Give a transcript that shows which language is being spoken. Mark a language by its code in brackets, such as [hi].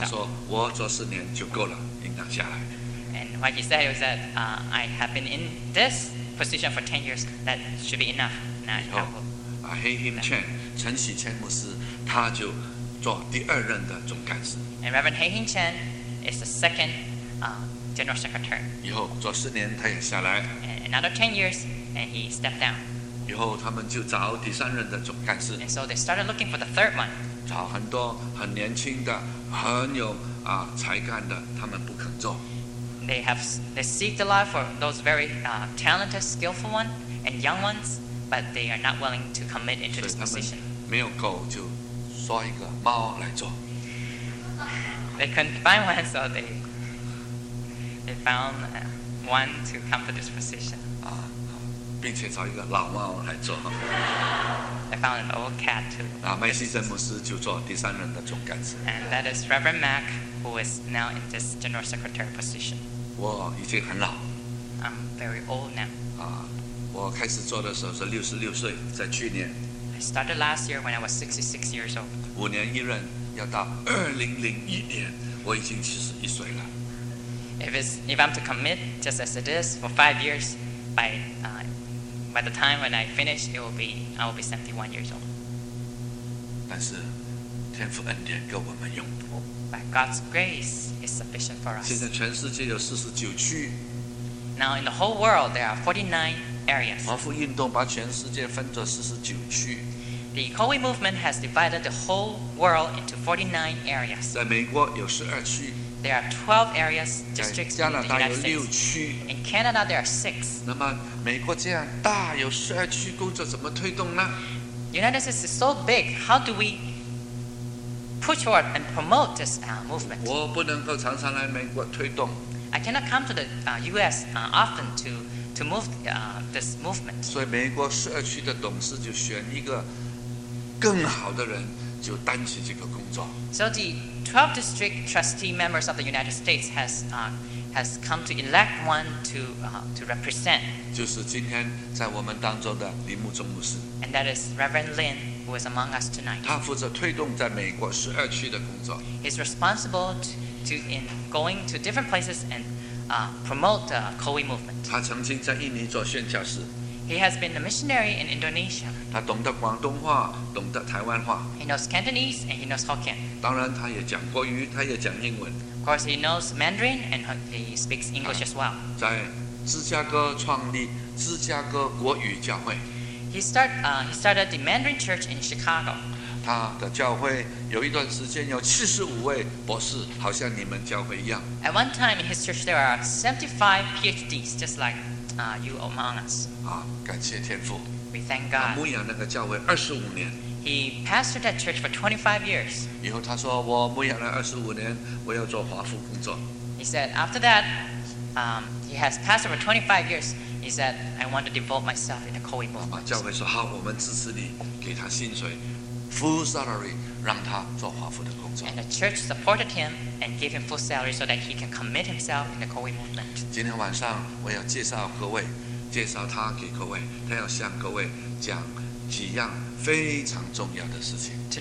[zh] 他说我做十年就够了，应当下来。 [en] And what he said was that I have been in this position for 10 years. That should be enough. Now I will. Hei Him Chen. [zh] 陈喜谦牧师他就做第二任的总干事。 [en] And Reverend Hei Him Chen is the second general secretary. [zh] 以后做十年他也下来。 [en] And another 10 years and he stepped down. [zh] 以后他们就找第三任的总干事。 [en] And so they started looking for the third one. [zh] 找很多很年轻的很有才干的他们不肯做。 [en] They seek the life for those very talented, skillful ones and young ones, but they are not willing to commit into this position. [zh] 没有狗就抓一个猫来做。 [en] They couldn't find one, so they found one to come to this position. [zh] 并且找一个老猫来做。 [en] They found an old cat too. [zh] 麦西珍牧师就做第三任的总干事。 [en] And that is Reverend Mac, who is now in this general secretary position. [zh] 我已经很老。 [en] I'm very old now. [zh] 我开始做的时候是66岁，在去年。 [en] I started last year when I was 66 years old. [zh] 五年一任，要到2001年，我已经71岁了。 [en] If I'm to commit just as it is for 5 years, by the time when I finish, I will be 71 years old. [zh] 但是天父恩典给我们用。 [en] By God's grace is sufficient for us. [zh] 现在全世界有49区。 [en] Now in the whole world there are 49 areas. [zh] 华福运动把全世界分作49区。 [en] The Kowei movement has divided the whole world into 49 areas. [zh] 在美国有12区。 [en] There are 12 areas, districts in the United States. [zh] 加拿大有6区。 [en] In Canada there are 6. [zh] 那么美国这样大有12区工作怎么推动呢？ [en] United States is so big. How do we push forward and promote this movement? [zh] 我不能够常常来美国推动。 [en] I cannot come to the U.S. Often to move this movement. [zh] 所以美国十二区的董事就选一个更好的人，就担起这个工作。 [en] So the 12 district trustee members of the United States has come to elect one to represent. [zh] 就是今天在我们当中的林牧中牧师。 [en] And that is Reverend Lin, who is among us tonight. [zh] 他负责推动在美国十二区的工作。 [en] He's responsible to in going to different places and promote the Kowei movement. [zh] 他曾经在印尼做宣教士。 [en] He has been a missionary in Indonesia. [zh] 他懂得广东话，懂得台湾话。 [en] He knows Cantonese and he knows Hokkien. [zh] 当然，他也讲国语，他也讲英文。 [en] Of course, he knows Mandarin and he speaks English as well. [zh] 在芝加哥创立芝加哥国语教会。 [en] He started the Mandarin Church in Chicago. [zh] 他的教会有一段时间有75位博士，好像你们教会一样。 [en] At one time in his church, there are 75 PhDs, just like. You among us. [zh] 感谢天父。 [en] We thank God. [zh] 他牧养那个教会25年。 [en] He pastored that church for 25 years. [zh] 以后他说，我牧养了25年，我要做华福工作。 [en] He said, after that, he has pastored for 25 years. He said, I want to devote myself in the Kowei movement. [zh] 教会说，好，我们支持你，给他薪水 ， [en] full salary， [zh] 让他做华福的工作。 [en] And the church supported him. And give him full salary so that he can commit himself in the Kowei movement. [zh] 今天晚上我要介绍各位，介绍他给各位，他要向各位讲几样非常重要的事情。